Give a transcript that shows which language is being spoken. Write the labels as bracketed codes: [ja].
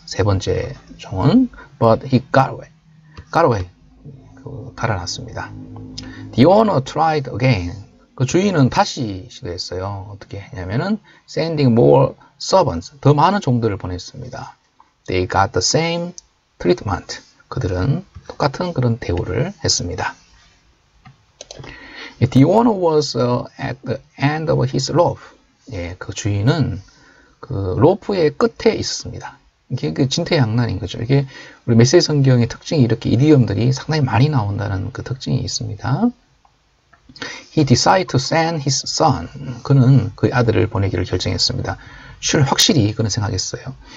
[ko] 세 번째 종은 [en] but he got away. [ko] 가로에 달아났습니다. [en] The owner tried again. [ko] 그 주인은 다시 시도했어요. 어떻게 했냐면은 [en] sending more servants, [ko] 더 많은 종들을 보냈습니다. [en] They got the same treatment. [ko] 그들은 똑같은 그런 대우를 했습니다. [en] The owner was at the end of his rope. [ko] 예, 그 주인은 그 로프의 끝에 있었습니다. 이게 그 진퇴양난인 거죠. 이게 우리 메시지 성경의 특징이 이렇게 이디엄들이 상당히 많이 나온다는 그 특징이 있습니다. [en] He decided to send his son. [ko] 그는 그의 아들을 보내기를 결정했습니다. 확실히 그는 생각했어요.